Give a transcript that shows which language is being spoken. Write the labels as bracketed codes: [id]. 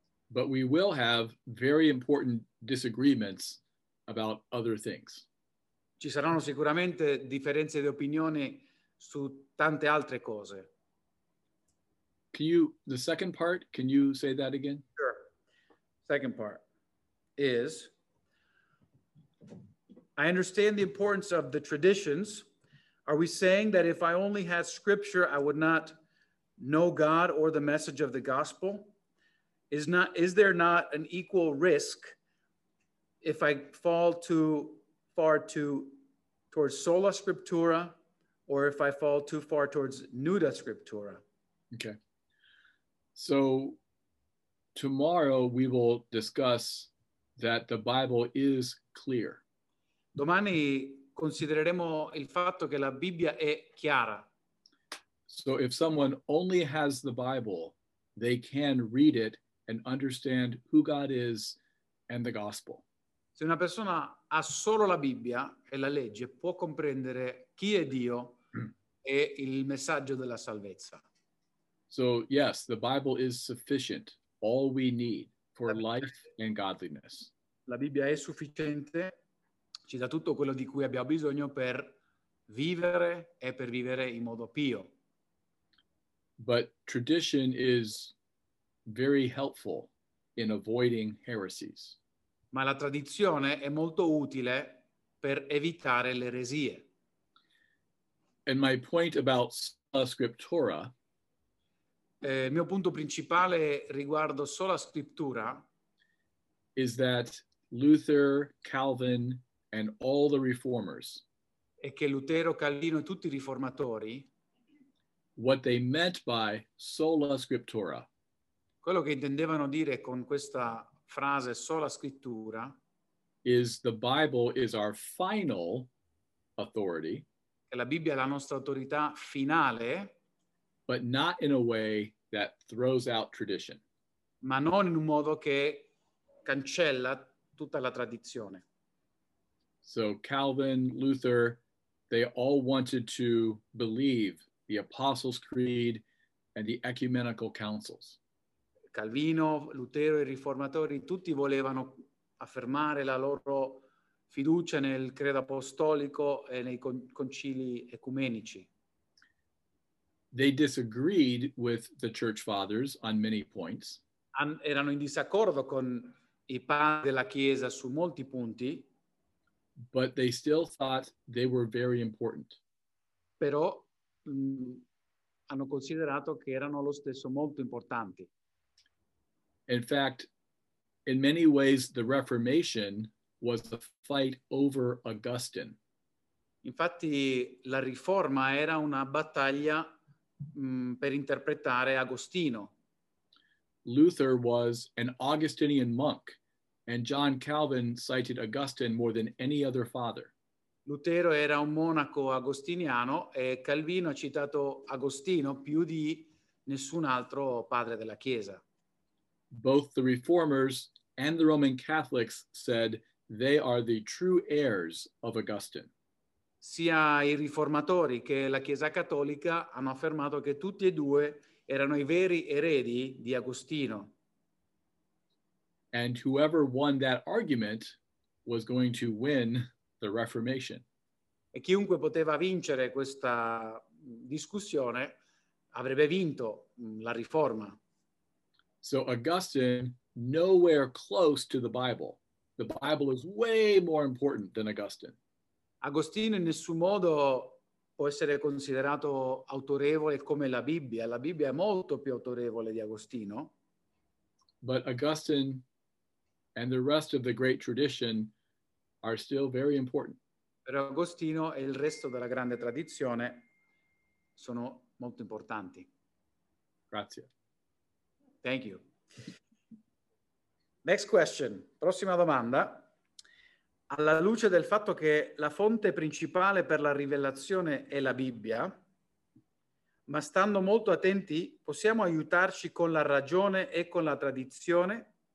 [en] But we will have very important disagreements about other things. [it] Ci saranno sicuramente differenze di opinione su tante altre cose. [en] Can you, the second part, can you say that again? Sure. Second part is, I understand the importance of the traditions. Are we saying that if I only had scripture, I would not know God or the message of the gospel? Is there not an equal risk if I fall too far towards sola scriptura, or if I fall too far towards nuda scriptura? Okay. So tomorrow we will discuss that the Bible is clear. [it] Domani considereremo il fatto che la Bibbia è chiara. [en] So if someone only has the Bible, they can read it and understand who God is and the gospel. [it] Se una persona ha solo la Bibbia e la legge, può comprendere chi è Dio e il messaggio della salvezza. [en] So yes, the Bible is sufficient, all we need for life and godliness. [it] La Bibbia è sufficiente, ci dà tutto quello di cui abbiamo bisogno per vivere e per vivere in modo pio. [en] But tradition is very helpful in avoiding heresies. [it] Ma la tradizione è molto utile per evitare le eresie. [en] And my point about sola scriptura, [it] il mio punto principale riguardo sola scrittura, [en] is that Luther, Calvin and all the reformers, [it] è che Lutero, Calvino e tutti i riformatori, [en] what they meant by sola scriptura, [it] quello che intendevano dire con questa frase sola scrittura, [en] is the Bible is our final authority, [it] che la Bibbia è la nostra autorità finale, [en] but not in a way that throws out tradition, [it] ma non in un modo che cancella tutta la tradizione. [en] So Calvin, Luther, they all wanted to believe the Apostles' Creed and the ecumenical councils. [it] Calvino, Lutero e i riformatori tutti volevano affermare la loro fiducia nel credo apostolico e nei concili ecumenici. [en] They disagreed with the church fathers on many points. [it] Erano in disaccordo con i padri della Chiesa su molti punti. [en] But they still thought they were very important. [it] Però hanno considerato che erano allo stesso molto importanti. [en] In fact, in many ways, the Reformation was a fight over Augustine. [it] Infatti, la Riforma era una battaglia per interpretare Agostino. [en] Luther was an Augustinian monk, and John Calvin cited Augustine more than any other father. [it] Lutero era un monaco agostiniano e Calvino ha citato Agostino più di nessun altro padre della Chiesa. [en] Both the Reformers and the Roman Catholics said they are the true heirs of Augustine. [it] Sia i riformatori che la Chiesa Cattolica hanno affermato che tutti e due erano i veri eredi di Agostino. [en] And whoever won that argument was going to win the Reformation. [it] E chiunque poteva vincere questa discussione avrebbe vinto la Riforma. [en] So Augustine, nowhere close to the Bible. The Bible is way more important than Augustine. [it] Agostino in nessun modo può essere considerato autorevole come la Bibbia. La Bibbia è molto più autorevole di Agostino. [en] But Augustine and the rest of the great tradition are still very important. [it] Però Agostino e il resto della grande tradizione sono molto importanti. Grazie. [en] Thank you. Next question. [it] Prossima domanda. Alla luce del fatto che la fonte principale per la rivelazione è la Bibbia, ma stando molto attenti, possiamo aiutarci con la ragione e con la tradizione?